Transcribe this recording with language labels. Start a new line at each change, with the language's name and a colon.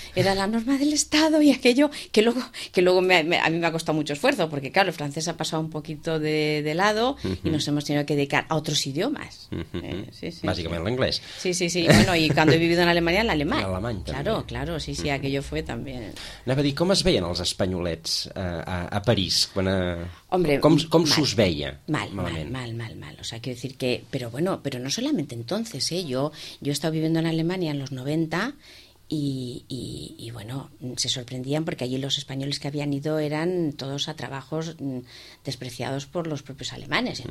Spanish: era la norma del Estado y aquello que luego a mí me ha costado mucho esfuerzo, porque claro, el francés ha pasado un poquito de lado y nos hemos tenido que dedicar a otros idiomas. Básicamente el inglés. Sí, sí, sí. Bueno, y cuando he vivido en Alemania, el alemán. El alemán también. Claro, claro, sí, sí, aquello fue también.
Catalan: Anava a dir, com es veien els espanyolets a París? Quan a... Hombre, com mal, s'us veia?
Spanish: Mal. O sea, quiero decir que... Pero no solamente entonces, ¿eh? Yo he estado viviendo en Alemania en los 90 y bueno, se sorprendían porque allí los españoles que habían ido eran todos a trabajos despreciados por los propios alemanes.